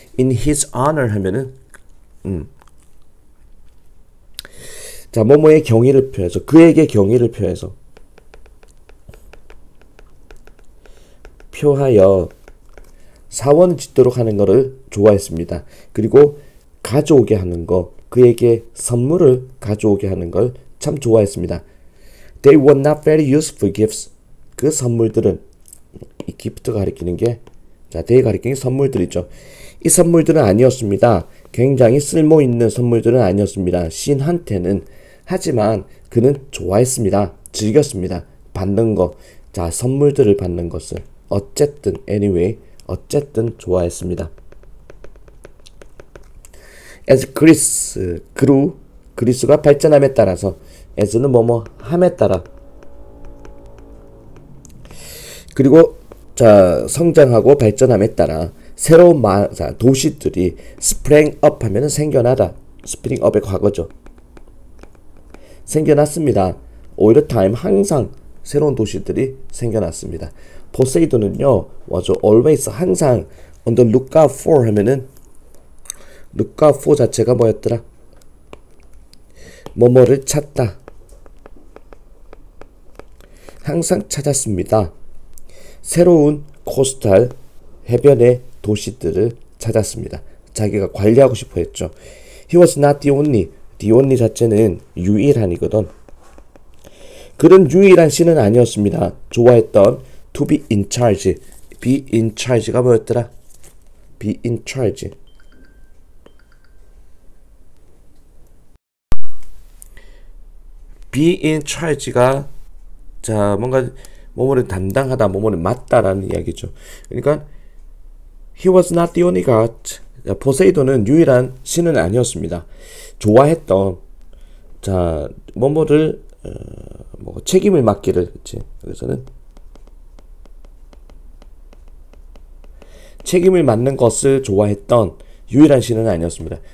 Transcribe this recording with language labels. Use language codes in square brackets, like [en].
[en] In his honor [ko] 하면은, 자, 뭐뭐의 경의를 표해서, 그에게 경의를 표해서. 표하여 사원을 짓도록 하는 것을 좋아했습니다. 그리고 가져오게 하는 거, 그에게 선물을 가져오게 하는 걸참 좋아했습니다. [en] They were not very useful gifts. [ko] 그 선물들은, 이 기프트가 가리키는 게, 자, they 가리키는 게 선물들이죠. 이 선물들은 아니었습니다. 굉장히 쓸모 있는 선물들은 아니었습니다. 신한테는. 하지만 그는 좋아했습니다. 즐겼습니다. 받는 거, 자, 선물들을 받는 것을. 어쨌든, anyway, 어쨌든 좋아했습니다. [en] As Greece grew, [ko] 그리스가 발전함에 따라서, as는 뭐뭐 함에 따라, 그리고 자, 성장하고 발전함에 따라 새로운 도시들이 [en] sprang up [ko] 하면은 생겨나다, [en] spring up [ko] 의 과거죠. 생겨났습니다. [en] All the time, [ko] 항상 새로운 도시들이 생겨났습니다. 포세이돈은요, [en] was always, [ko] 항상 [en] on the lookout for [ko] 하면은, [en] lookout for [ko] 자체가 뭐였더라? 뭐뭐를 찾다. 항상 찾았습니다. 새로운 코스탈 해변의 도시들을 찾았습니다. 자기가 관리하고 싶어 했죠. [en] He was not the only. The only [ko] 자체는 유일한이거든. 그런 유일한 신은 아니었습니다. 좋아했던 [en] To be in charge. Be in charge가 [ko] 뭐였더라? [en] Be in charge. [ko] 비인 차지가, 자, 뭔가 뭐뭐를 담당하다, 뭐뭐를 맡다라는 이야기죠. 그러니까 [en] he was not the only god. [ko] 자, 포세이돈은 유일한 신은 아니었습니다. 좋아했던, 자, 뭐뭐를 뭐 책임을 맡기를, 그치? 여기서는 책임을 맡는 것을 좋아했던 유일한 신은 아니었습니다.